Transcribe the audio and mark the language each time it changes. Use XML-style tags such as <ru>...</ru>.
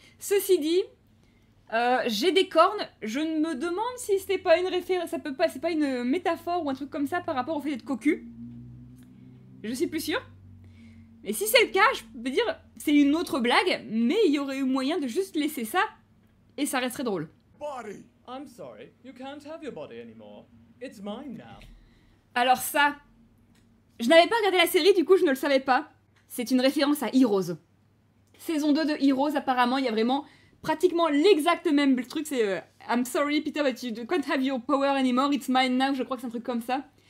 <fr>Ceci dit, j'ai des cornes, je me demande si c'est pas une référence, c'est pas une métaphore ou un truc comme ça par rapport au fait d'être cocu. Je suis plus sûre. Et si c'est le cas, je peux dire, c'est une autre blague, mais il y aurait eu moyen de juste laisser ça, et ça resterait drôle.</fr> <en>Body. I'm sorry, you can't have your body anymore. It's mine now.</en> <fr>Alors ça, je n'avais pas regardé la série, du coup je ne le savais pas. C'est une référence à Heroes. Saison 2 de Heroes, apparemment, il y a vraiment pratiquement l'exact même truc, c'est</fr> <en>I'm sorry Peter, but you can't have your power anymore, it's mine now,</en> <fr>je crois que c'est un truc comme ça.</fr>